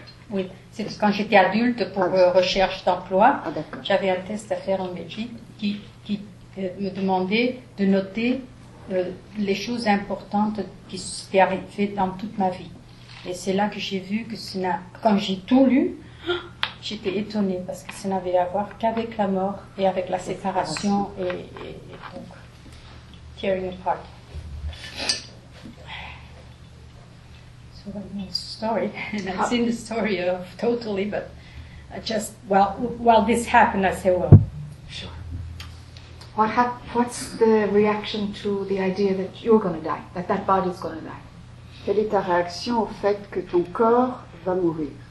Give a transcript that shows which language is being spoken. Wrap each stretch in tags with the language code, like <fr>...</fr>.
<fr>Oui, c'est quand j'étais adulte pour recherche d'emploi, j'avais un test à faire en Belgique qui me demandait de noter les choses importantes qui s'étaient arrivées dans toute ma vie. Et c'est là que j'ai vu que quand j'ai tout lu, j'étais étonnée parce que ça n'avait à voir qu'avec la mort et avec la séparation et donc</fr> <en>tearing apart. Story, and I've seen the story of totally, but I just while this happened, I say, well, sure. What's the reaction to the idea that you're going to die, that body's going to die?</en> <fr>Quelle est ta réaction au fait que ton corps va mourir?</fr>